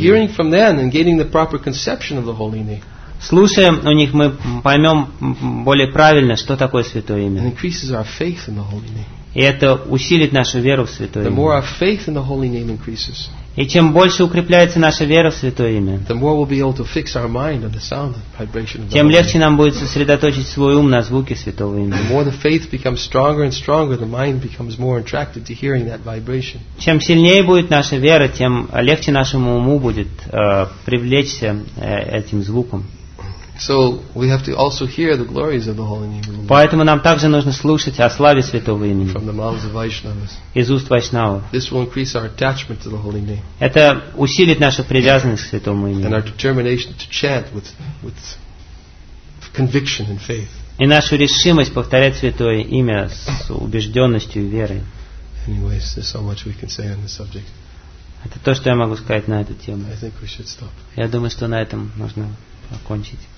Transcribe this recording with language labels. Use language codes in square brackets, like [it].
[en] By hearing from them and gaining the proper conception of the holy name. [ru] Слушая у них, мы поймем более правильно, что такое святое имя. [en] And increases our faith in the holy name. [ru] И это усилит нашу веру в Святое [en] имя. The more our faith in the Holy Name increases, [ru] и чем больше укрепляется наша вера в Святое имя, [en] the more we'll be able to fix our mind on the sound and vibration of the [ru] тем легче нам будет сосредоточить свой ум на звуке Святого имени. [en] The more the faith becomes stronger and stronger, the mind becomes more attracted to hearing that vibration. [ru] Чем сильнее будет наша вера, тем легче нашему уму будет привлечься этим звуком. [en] So we have to also hear the glories of the Holy Name. [ru] Поэтому нам также нужно слушать о славе Святого имени. [en] From the mouths of Vaishnavas. [ru] Из уст Вайшнавов. [en] This will increase our attachment to the Holy Name. [ru] Это усилит нашу привязанность к Святому имени. [en] And our determination to chant with conviction and faith. [ru] И нашу решимость повторять Святое имя с убежденностью и верой. [en] Anyways, there's so much we can say on this subject. [ru] Это то, что я могу сказать на эту тему. [en] I think we should stop. [ru] Я думаю, что на этом нужно окончить.